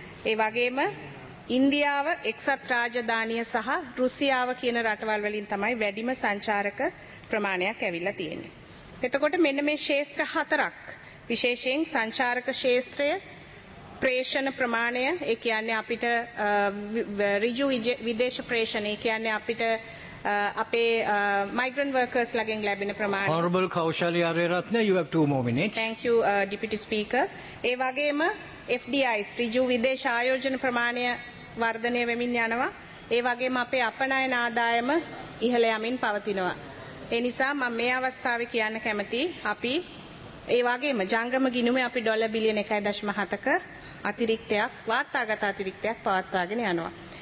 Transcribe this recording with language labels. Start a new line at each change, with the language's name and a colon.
Sinhala: ඒ වගේම ඉන්දියාව, එක්සත් රාජධානිය සහ රුසියාව කියන රටවල් වලින් තමයි වැඩිම සංචාරක ප්‍රමාණයක් ඇවිල්ලා තියෙන්නේ. එතකොට මෙන්න මේ ක්ෂේත්‍ර හතරක් විශේෂයෙන් සංචාරක ක්ෂේත්‍රය ප්‍රේෂණ ප්‍රමාණය, ඒ කියන්නේ අපිට ඍජු විදේශ ප්‍රේෂණ, ඒ කියන්නේ අපිට අපේ
English: migrant workers
Sinhala: ලගෙන් ලැබෙන ප්‍රමාණය.
English: Honourable Kaushali Ariyaratne, you have 2 more minutes. Thank you, Deputy Speaker.
Sinhala: ඒ වගේම FDI, ඍජු විදේශ ආයෝජන ප්‍රමාණය වර්ධනය වෙමින් යනවා. ඒ වගේම අපේ අපනයන ආදායම ඉහළ යමින් පවතිනවා. ඒ නිසා මම මේ අවස්ථාවේ කියන්න කැමතියි අපි ඒ වගේම ජංගම ගිණුමේ අපි ඩොලර් බිලියන 1.7ක අතිරික්තයක් වාර්තාගත අතිරික්තයක් පවත්වාගෙන යනවා.